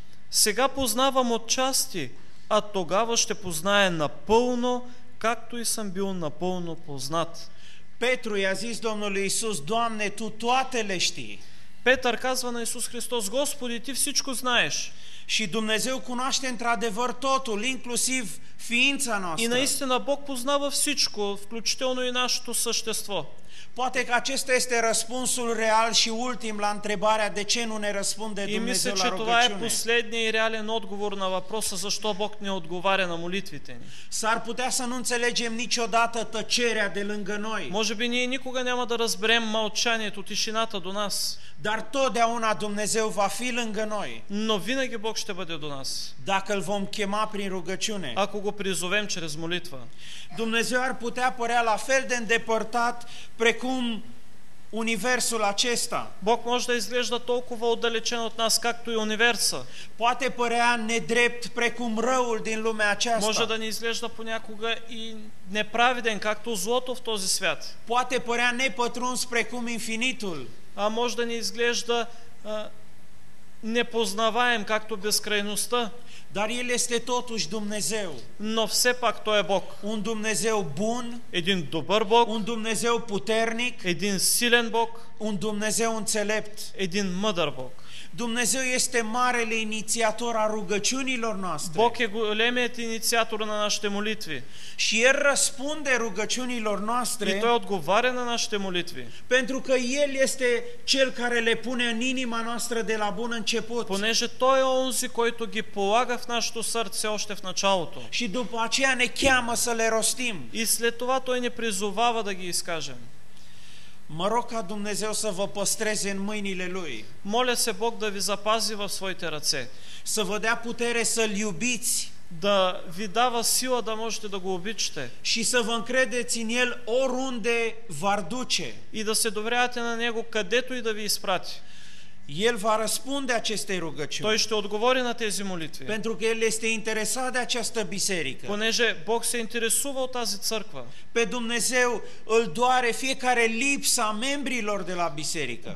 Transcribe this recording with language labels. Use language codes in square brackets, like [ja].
[bg] Сега познавам отчасти, а тогава ще познае напълно, както и съм бил напълно познат. [ro] Петру и-a zis Domnului Isus, Doamne, Tu toate le știi. [bg] Петър казва на Исус Христос, Господи, Ти всичко знаеш. [ro] Și Dumnezeu cunoaște într-adevăr totul, inclusiv ființa noastră. [bg] И наистина Бог познава всичко, включително и нашето същество. [ro] Poate că acesta este răspunsul real și ultim la întrebarea de ce nu ne răspunde Dumnezeu la rugăciune. [bg] И мисля, че това е последният и реален отговор на въпроса защо Бог не отговаря на молитвите ни. [ro] S-ar putea să nu înțelegem niciodată tăcerea de lângă noi. [bg] Може би ние никога няма да разберем мълчанието, тишината до нас. [ro] Dar totdeauna Dumnezeu va fi lângă noi. [bg] Но винаги Бог ще бъде до нас. [ro] Dacă îl vom chema prin rugăciune. [bg] Ако го призовем чрез молитва. [ro] Dumnezeu ar putea părea la fel de îndepărtat precum universul acesta. [bg] Бог може да изглежда толкова отдалечен от нас, както и универса. [ro] Poate părea nedrept precum răul din lumea aceasta. [bg] Може да ни изглежда понякога и неправеден, както злото в този свят. [ro] Poate părea непътрунс precum infinitul. [bg] А може да ни изглежда непознаваем, както безкрайността. [ro] Dar El este totuși Dumnezeu. [bg] Но все пак Той е Бог. [ro] Un Dumnezeu bun. [bg] Един добър Бог. [ro] Un Dumnezeu puternic. [bg] Един силен Бог. [ro] Un Dumnezeu înțelept. [bg] Един мъдър Бог. [ro] Dumnezeu este marele inițiator a rugăciunilor noastre. [bg] Бог е големият инициатор на нашите молитви. [ro] Și El răspunde rugăciunilor noastre. [bg] И Той отговаря на нашите молитви. [ro] Pentru că El este Cel care le pune în inima noastră de la bun început. [bg] Понеже Той е онзи, който ги полага в нашето сърце още в началото. [ro] Și după aceea ne cheamă să le rostim. [bg] И след това Той ни призовава да ги изкажем. [ro] Mă rog ca Dumnezeu să vă păstreze în mâinile Lui. [bg] Моля се Бог да ви запази в своите ръце. [ro] Să vă dea putere să iubiți. [bg] Да ви дава сила да можете да го обичате. [ro] Și să vă încredeți în El oriunde v-ar duce. [bg] И да се доверяте на Него където и да ви изпрати. [ro] El va răspunde acestei rugăciuni. [bg] Той ще отговори на тези молитви. [ro] Pentru că El este interesat de această biserică. [bg] Понеже Бог се интересува от тази църква. [ro] Pe Dumnezeu îl doare fiecare lipsa membrilor de la biserică.